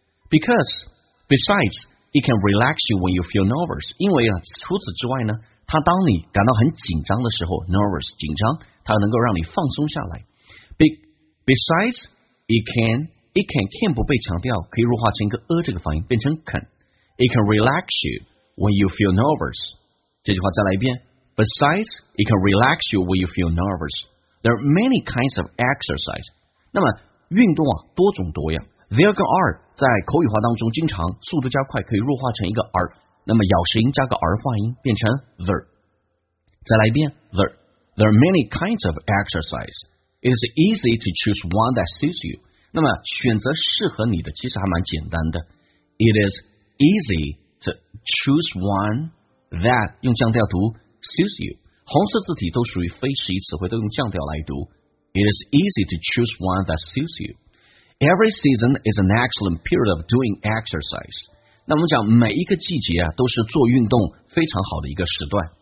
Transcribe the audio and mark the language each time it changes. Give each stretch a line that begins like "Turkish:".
English: Because, besides, it can relax you when you feel nervous.
Chinese: 因为除此之外呢，它当你感到很紧张的时候 ，nervous 紧张，它能够让你放松下来。
English: Besides, it can
Chinese: 不被强调，可以弱化成一个 a 这个发音，变成 can.
English: It can relax you when you feel nervous.
Chinese: 这句话再来一遍。
English: Besides, it can relax you when you feel nervous. There are many kinds of exercise.
Chinese: 那么运动啊多种多样。 There 跟 are 在口语化当中经常速度加快可以弱化成一个 are。那么咬舌音加个儿化音变成 there。再来一遍 there。
English: There are many kinds of exercise. It is easy to choose one that suits you.
Chinese: 那么选择适合你的其实还蛮简单的。
English: It is easy to choose one that
Chinese: 用降调读
English: suits you.
Chinese: 红色字体都属于非实义词汇，都用降调来读。
English: It is easy to choose one that suits you. Every season is an excellent period of doing exercise.
Chinese: 那我们讲每一个季节啊，都是做运动非常好的一个时段。